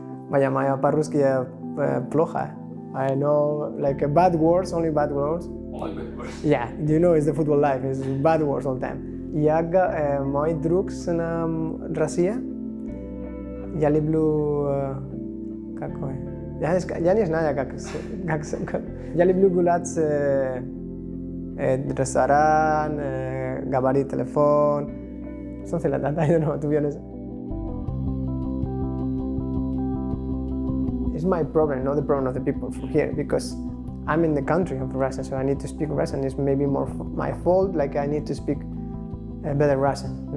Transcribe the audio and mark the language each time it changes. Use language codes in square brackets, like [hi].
[ru] Vaya, моя по-русски плохо. [en] I know like bad words, only bad words. Only bad words. Yeah, you know, it's the football life. It's bad words all the time. [ru] Я мой друг с нам Россия. Я люблю какой? Я не знаю, как. Я люблю гулять в ресторан, говорить телефон. [en] Something like that. I don't know, to be honest. It's my problem, not the problem of the people from here, because I'm in the country of Russia, so I need to speak Russian. It's maybe more my fault, like I need to speak better Russian.